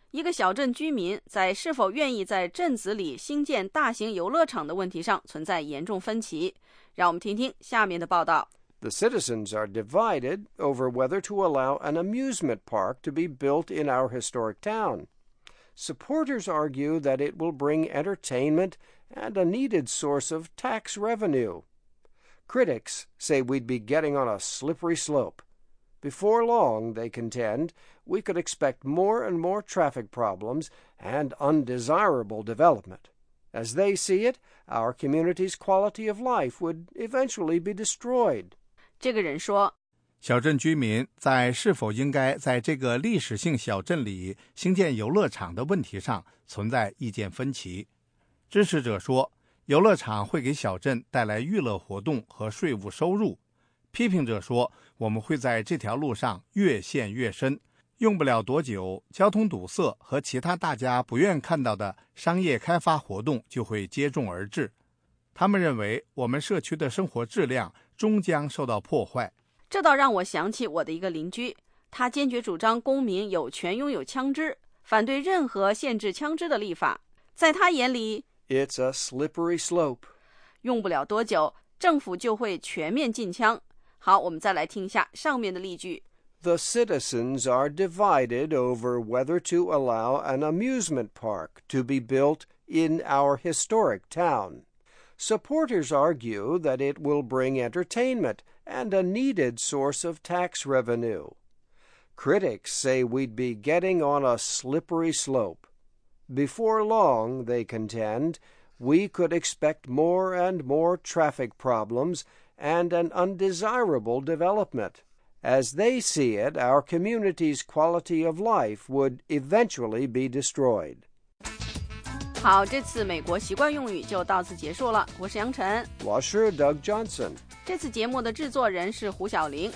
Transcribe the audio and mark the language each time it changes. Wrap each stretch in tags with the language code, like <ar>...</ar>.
<zh>一个小镇居民在是否愿意在镇子里兴建大型游乐场的问题上存在严重分歧。让我们听听下面的报道。</zh> <en>The citizens are divided over whether to allow an amusement park to be built in our historic town. Supporters argue that it will bring entertainment and a needed source of tax revenue. Critics say we'd be getting on a slippery slope. Before long, they contend, we could expect more and more traffic problems and undesirable development. As they see it, our community's quality of life would eventually be destroyed.</en> <zh>这个人说，小镇居民在是否应该在这个历史性小镇里兴建游乐场的问题上存在意见分歧。支持者说，游乐场会给小镇带来娱乐活动和税务收入。批评者说，我们会在这条路上越陷越深，用不了多久，交通堵塞和其他大家不愿看到的商业开发活动就会接踵而至。他们认为，我们社区的生活质量终将受到破坏。这倒让我想起我的一个邻居，他坚决主张公民有权拥有枪支，反对任何限制枪支的立法。在他眼里</zh> <en>，It's a slippery slope。</en> <zh>用不了多久，政府就会全面禁枪。好，我们再来听一下上面的例句。</zh> <en>The citizens are divided over whether to allow an amusement park to be built in our historic town. Supporters argue that it will bring entertainment and a needed source of tax revenue. Critics say we'd be getting on a slippery slope. Before long, they contend, we could expect more and more traffic problems. And an undesirable development. As they see it, our community's quality of life would eventually be destroyed.</en> <zh>好，这次美国习惯用语就到此结束了。我是杨晨，我是 Doug Johnson。这次节目的制作人是胡晓玲。</zh>